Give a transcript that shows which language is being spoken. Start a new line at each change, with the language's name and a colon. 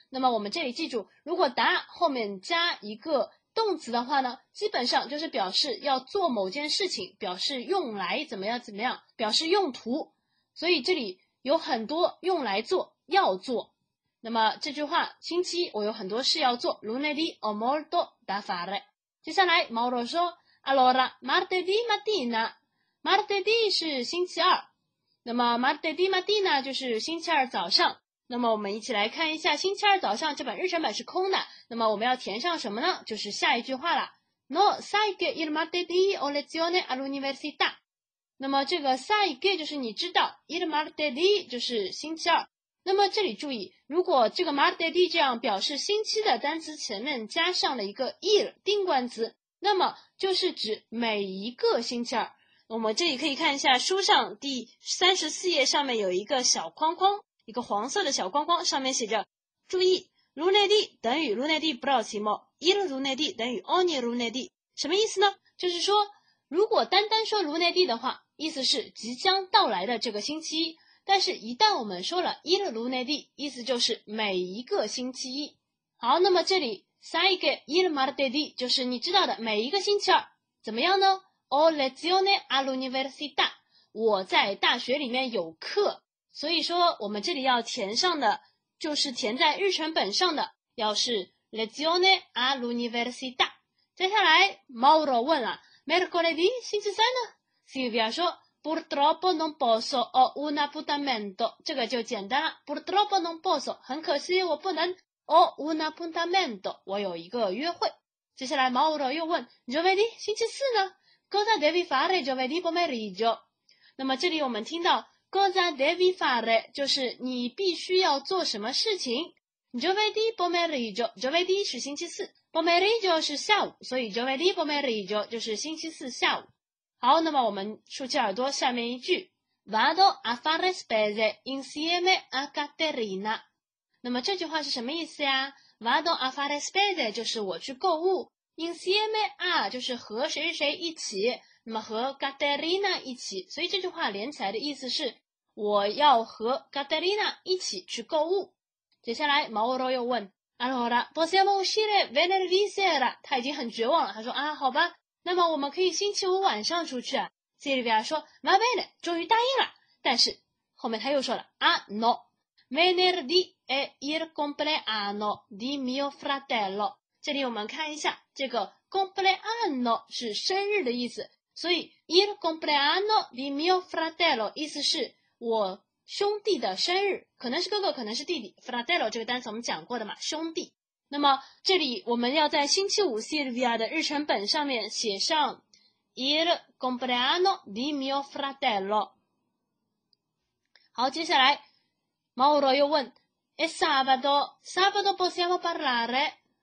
Chinese: 那么我们这里记住，如果达后面加一个动词的话呢，基本上就是表示要做某件事情，表示用来怎么样怎么样，表示用途。所以这里有很多用来做，要做。那么这句话，星期一我有很多事要做。
Italian: Lunedì ho molto da fare。
Chinese: 接下来，
Italian: Mauro说：“Allora martedì mattina。
Chinese: martedì 是星期二，那么
Italian: martedì mattina
Chinese: 就是星期二早上。那么我们一起来看一下，星期二早上这本日程本是空的，那么我们要填上什么呢？就是下一句话了。
Italian: No sai che il martedì ho lezione all'università。
Chinese: 那么这个
Italian: sai che
Chinese: 就是你知道 ，
Italian: il martedì
Chinese: 就是星期二。那么这里注意，如果这个 martedì 这样表示星期的单词前面加上了一个 il 定冠词，那么就是指每一个星期二。我们这里可以看一下书上第34页上面有一个小框框，一个黄色的小框框，上面写着：注意 ，lunedì 等于
Italian: lunedì prossimo， il lunedì
Chinese: 等于
Italian: ogni lunedì。
Chinese: 什么意思呢？就是说，如果单单说 lunedì 的话，意思是即将到来的这个星期一。但是一旦我们说了
Italian: il lunedì，
Chinese: 意思就是每一个星期一。好，那么这里
Italian: sai che il martedì
Chinese: 就是你知道的每一个星期二，怎么样呢？
Italian: ho lezione all'università，
Chinese: 我在大学里面有课。所以说我们这里要填上的就是填在日程本上的，要是
Italian: lezione all'università。
Chinese: 接下来 Mauro 问了 mercoledì 星期三呢？ Silvia 说
Italian: purtroppo non posso ho un appuntamento，
Chinese: 这个就简单了，
Italian: purtroppo non posso，
Chinese: 很可惜我不能，
Italian: ho un appuntamento，
Chinese: 我有一个约会。接下来 Mauro 又问 giovedì 星期四呢？
Italian: Cosa devi fare giovedì pomeriggio？
Chinese: 那么这里我们听到
Italian: Cosa devi fare
Chinese: 就是你必须要做什么事情。
Italian: Giovedì pomeriggio，
Chinese: giovedì 是星期四， pomeriggio 是下午，所以
Italian: giovedì pomeriggio
Chinese: 就是星期四下午。好，那么我们竖起耳朵下面一句
Italian: Vado a fare spese insieme a Caterina。
Chinese: 那么这句话是什么意思呀？
Italian: Vado a fare spese
Chinese: 就是我去购物，
Italian: insieme a
Chinese: 就是和谁谁一起，那么和 Caterina 一起，所以这句话连起来的意思是我要和 Caterina 一起去购物。接下来
Italian: Mauro
Chinese: 又问
Italian: Allora possiamo uscire venerdì sera？
Chinese: 他已经很绝望了，他说啊好吧，那么我们可以星期五晚上出去啊。 Silvia 说
Italian: va bene，
Chinese: 终于答应了，但是后面他又说了啊
Italian: no， venerdì è il compleanno di mio fratello。
Chinese: 这里我们看一下，这个 compleanno 是生日的意思，所以
Italian: il compleanno di mio fratello
Chinese: 意思是我兄弟的生日，可能是哥哥可能是弟弟， fratello 这个单词我们讲过的嘛，兄弟。那么这里我们要在星期五 Silvia 的日程本上面写上
Italian: il compleanno di mio fratello。
Chinese: 好，接下来
Italian: Mauro
Chinese: 又问
Italian: è sabato， sabato possiamo parlare？